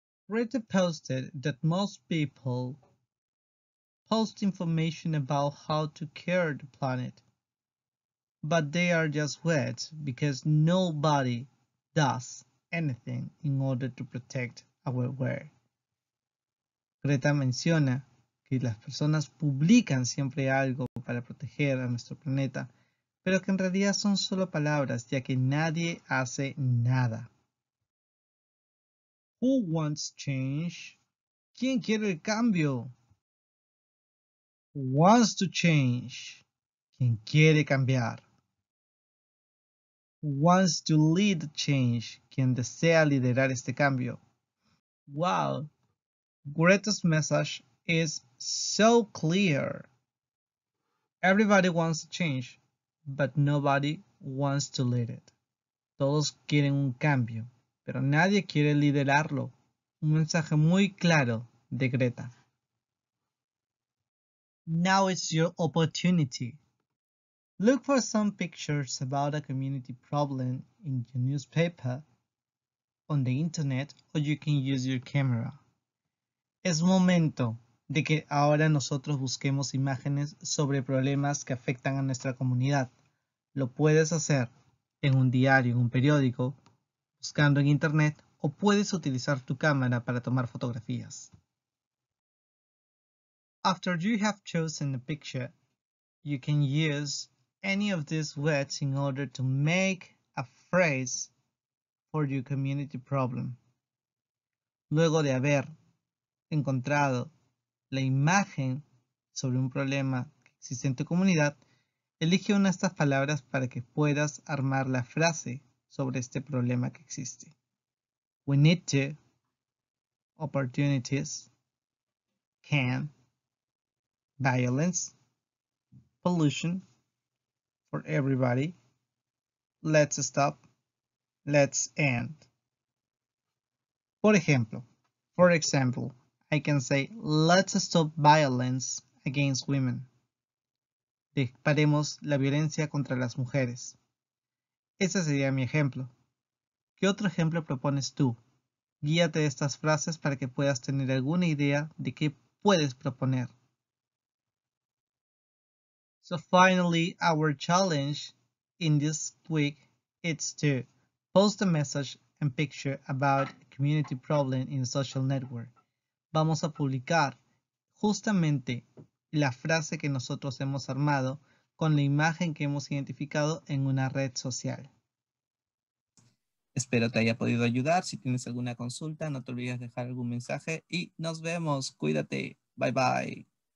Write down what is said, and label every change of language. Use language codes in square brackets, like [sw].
[en] Greta posted that most people post information about how to care the planet, but they are just wet because nobody does anything in order to protect our world. Greta menciona que las personas publican siempre algo para proteger a nuestro planeta, pero que en realidad son solo palabras ya que nadie hace nada. Who wants change? [es] ¿Quién quiere el cambio? [en] Wants to change. [es] ¿Quién quiere cambiar? [en] Wants to lead change. [es] ¿Quién desea liderar este cambio? [en] Wow. Greta's message is so clear. Everybody wants to change, but nobody wants to lead it. [es] Todos quieren un cambio, pero nadie quiere liderarlo. Un mensaje muy claro de Greta. [en] Now it's your opportunity. Look for some pictures about a community problem in your newspaper, on the internet, or you can use your camera. [es] Es momento de que ahora nosotros busquemos imágenes sobre problemas que afectan a nuestra comunidad. Lo puedes hacer en un diario, en un periódico, buscando en internet, o puedes utilizar tu cámara para tomar fotografías. [en] After you have chosen a picture, you can use any of these words in order to make a phrase for your community problem. [es] Luego de haber encontrado la imagen sobre un problema que existe en tu comunidad, elige una de estas palabras para que puedas armar la frase sobre este problema que existe. [en] We need to, opportunities, can, violence, pollution, for everybody, let's stop, let's end. For example, I can say, let's stop violence against women. [es] Disparemos la violencia contra las mujeres. Ese sería mi ejemplo. ¿Qué otro ejemplo propones tú? Guíate de estas frases para que puedas tener alguna idea de qué puedes proponer. [en] So finally, our challenge in this week is to post a message and picture about a community problem in a social network. [es] Vamos a publicar justamente la frase que nosotros hemos armado con la imagen que hemos identificado en una red social. Espero te haya podido ayudar. Si tienes alguna consulta, no te olvides de dejar algún mensaje y nos vemos. Cuídate. Bye bye.